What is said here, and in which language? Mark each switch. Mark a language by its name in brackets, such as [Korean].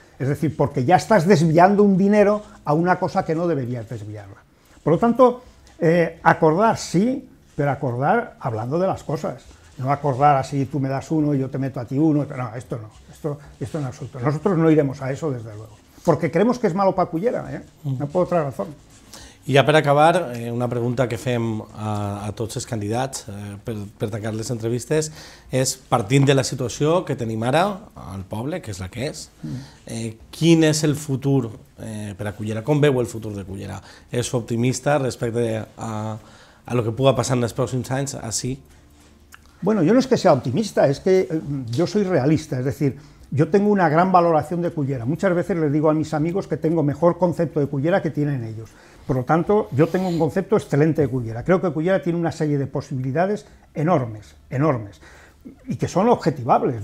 [Spanish] Es decir, porque ya estás desviando un dinero a una cosa que no deberías desviarla. Por lo tanto, acordar sí, pero acordar hablando de las cosas. No acordar así, tú me das uno y yo te meto a ti uno. No, esto no, esto en absoluto. Nosotros no iremos a eso, desde luego. Porque creemos que es malo para Cullera, No puedo otra razón. [Catalan] I ja per acabar, una pregunta que fem a tots els candidats per tancar les entrevistes és, partint de la situació que tenim ara al poble, que és la que és, quin és el futur per a Cullera? Com veu el futur de Cullera? És optimista respecte a lo que pugui passar en els pròxims anys, així? [Spanish] Bueno, yo no es que sea optimista, es que yo soy realista, es decir, yo tengo una gran valoración de Cullera. Muchas veces les digo a mis amigos que tengo mejor concepto de Cullera que tienen ellos. Por lo tanto, yo tengo un concepto excelente de Cullera. Creo que Cullera tiene una serie de posibilidades enormes, enormes, y que son objetivables.